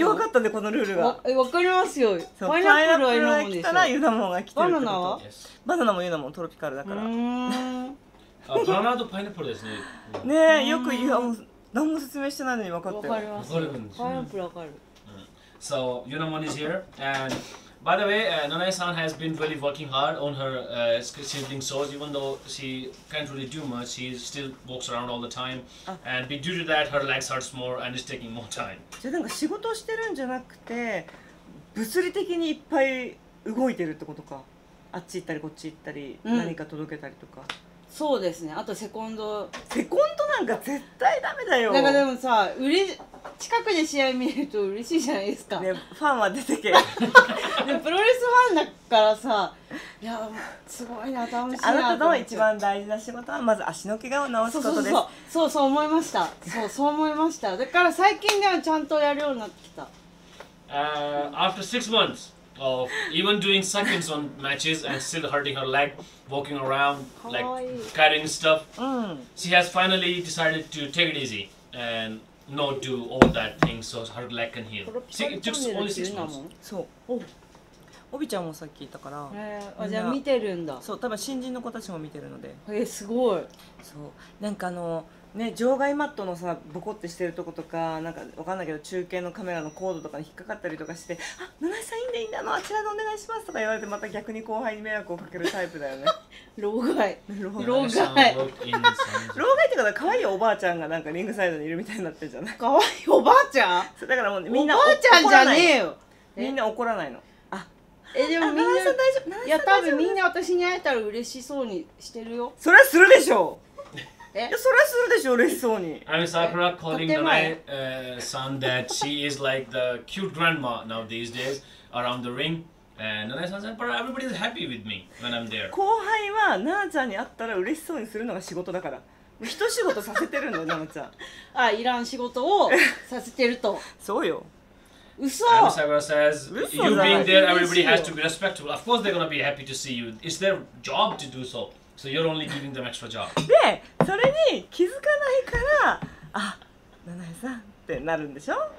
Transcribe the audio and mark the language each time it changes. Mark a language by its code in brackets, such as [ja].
[ja] よかったね、このルールが。わかりますよ。パイナップルはユナモンでしょ。来たらユナモンが来てるってこと。バナナは？バナナもユナモン、トロピカルだから。バナナとパイナップルですね。ねえ、よく言う。何も説明してないのに分かったよ。わかります。パイナップルわかる。 [en] So, Yunamon is here. And by the way, Nanae-san has been really working hard on her sibling sores. Even though she can't really do much, she still walks around all the time. And due to that, her legs hurts more and is taking more time. [ja] じゃあなんか仕事をしてるんじゃなくて、物理的にいっぱい動いてるってことか。あっち行ったりこっち行ったり、何か届けたりとか。そうですね。あとセコンド。セコンドなんか絶対ダメだよ。なんかでもさ、近くで試合見ると嬉しいじゃないですか。ね、ファンは出てけ。でプロレスファンだからさ、いや、すごいな、楽しいな。あなたの一番大事な仕事は、まず足の怪我を治すことです。そう思いました。そう思いました。だから最近ではちゃんとやるようになってきた。 [en] After 6 months of even doing seconds on matches and still hurting her leg, walking around, like carrying stuff, she has finally decided to take it easy and... not do all that thing so her leg can heal. See, it took only 6 months. [ja] そう。おびちゃんもさっき言ったから。あ、じゃあ見てるんだ。そう、多分新人の子たちも見てるので。すごい。そう。なんかあの、ね、場外マットのさボコってしてるとことかなんかわかんないけど中継のカメラのコードとかに引っかかったりとかして、あ、七井さんいいんだいいんだ、あちらでお願いしますとか言われてまた逆に後輩に迷惑をかけるタイプだよね。老害老害老害ってか可愛いおばあちゃんがなんかリングサイドにいるみたいになってるじゃない。可愛いおばあちゃん。そうだからもうみんなおばあちゃんじゃねえよ。みんな怒らないの。え、でもみんな、さん大丈夫、いや多分みんな私に会えたら嬉しそうにしてるよ。それはするでしょう。え、それはするでしょう、嬉しそうに。 [en] I'm Sakura calling my son that she is like the cute grandma now these days around the ring and Nanae-san said, but everybody is happy with me when I'm there. [ja] 後輩は Nanae ちゃんに会ったら嬉しそうにするのが仕事だから、一仕事させてるの。 Nanae ちゃん、あ、いらん仕事をさせてると。そうよ。 [en] Sakura says, you being there, everybody has to be respectful. Of course, they're going to be happy to see you. It's their job to do so. So you're only giving them extra job. [ja] で、それに気づかないから、あ、七重さんってなるんでしょ。